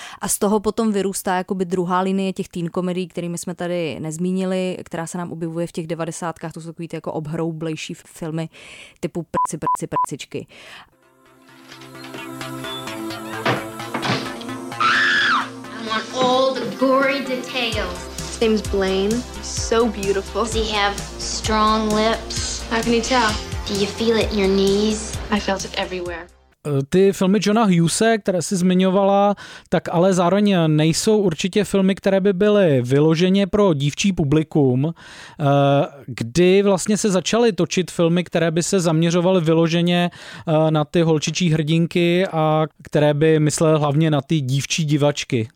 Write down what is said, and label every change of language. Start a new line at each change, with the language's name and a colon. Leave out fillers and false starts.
Czech: A z toho potom vyrůstá jakoby druhá linie těch teen komedií, kterými jsme tady nezmínili, která se nám objevuje v těch devadesátkách, to jsou takový ty jako obhroublejší filmy typu Prci, prci, prcičky.
English: I want all the gory details. His name's Blaine. He's so beautiful. Does he have strong lips? How can you tell? Do you feel it in your knees? I felt it everywhere.
Czech: Ty filmy Johna Hughese, které jsi zmiňovala, tak ale zároveň nejsou určitě filmy, které by byly vyloženě pro dívčí publikum. Kdy vlastně se začaly točit filmy, které by se zaměřovaly vyloženě na ty holčičí hrdinky a které by myslely hlavně na ty dívčí divačky?